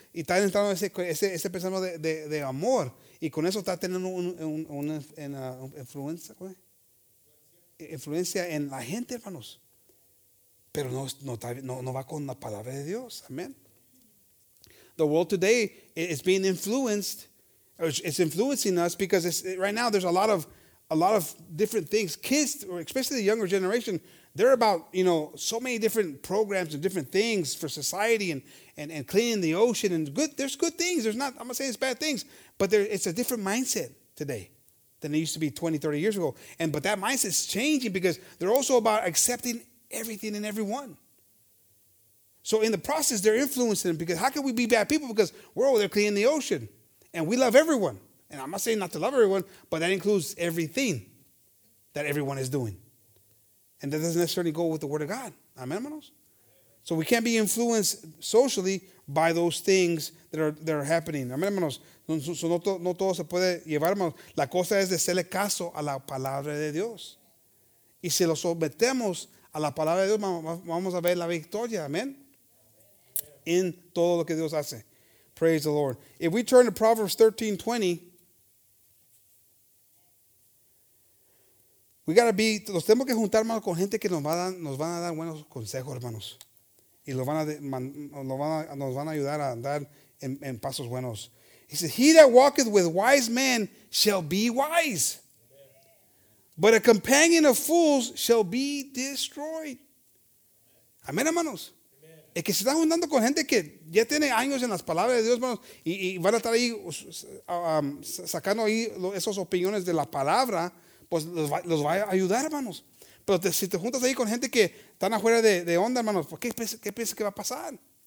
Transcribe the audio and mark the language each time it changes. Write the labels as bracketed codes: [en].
[es] Y está entrando ese pensamiento de amor. Y con eso está teniendo una influencia, ¿cuál? Influencia en la gente, hermanos. Pero no va con la palabra de Dios. [en] Amén. The world today is being influenced. It's influencing us because right now there's a lot of different things. Kids, especially the younger generation, they're about, you know, so many different programs and different things for society and cleaning the ocean and good. There's good things. I'm not saying it's bad things, but it's a different mindset today than it used to be 20, 30 years ago. But that mindset is changing because they're also about accepting everything and everyone. So in the process, they're influencing them because how can we be bad people? Because we're over there cleaning the ocean. And we love everyone. And I'm not saying not to love everyone, but that includes everything that everyone is doing. And that doesn't necessarily go with the word of God. Amen, hermanos? So we can't be influenced socially by those things that are happening. [es] Amen, hermanos? No todo se puede llevar, hermanos. La cosa es de hacerle caso a la palabra de Dios. Y si lo sometemos a la palabra de Dios, vamos a ver la victoria. Amen? En todo lo que Dios hace. [en] Praise the Lord. If we turn to Proverbs 13:20, we got to be, [es] nos tenemos que juntar, hermanos, con gente que nos van a dar buenos consejos, hermanos. Y nos van a ayudar a andar en pasos buenos. [en] He says, he that walketh with wise men shall be wise. But a companion of fools shall be destroyed. [es] Amén, hermanos. Es que se están juntando con gente que ya tiene años en las palabras de Dios, hermanos, y van a estar ahí sacando ahí esas opiniones de la palabra, pues los va a ayudar, hermanos. Pero si te juntas ahí con gente que están afuera de onda, hermanos, pues ¿qué piensas que va a pasar?